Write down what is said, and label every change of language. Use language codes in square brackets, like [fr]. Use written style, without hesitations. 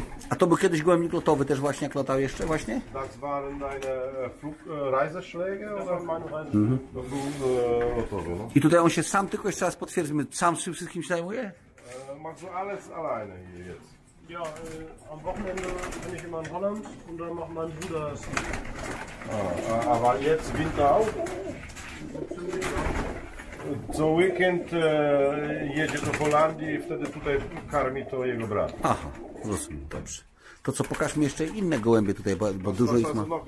[pl] A to był kiedyś gołębnik lotowy też właśnie, jak latał jeszcze właśnie? [de] Das waren deine Reiseschläge, oder meine Reiseschläge? [pl] Mhm. To był lotowy, no. I tutaj on się sam, tylko jeszcze raz potwierdzimy, sam z tym wszystkim się zajmuje? [de] Machst du alles alleine hier jetzt? Ja, am Wochenende bin ich immer in Holland und dann macht mein Bruder das. Ah, aber jetzt Winter auch? [pl] Co weekend jedzie do Holandii i wtedy tutaj karmi to jego brat. Aha, rozumiem, dobrze. To co, pokaż mi jeszcze inne gołębie tutaj, bo dużo ich ma.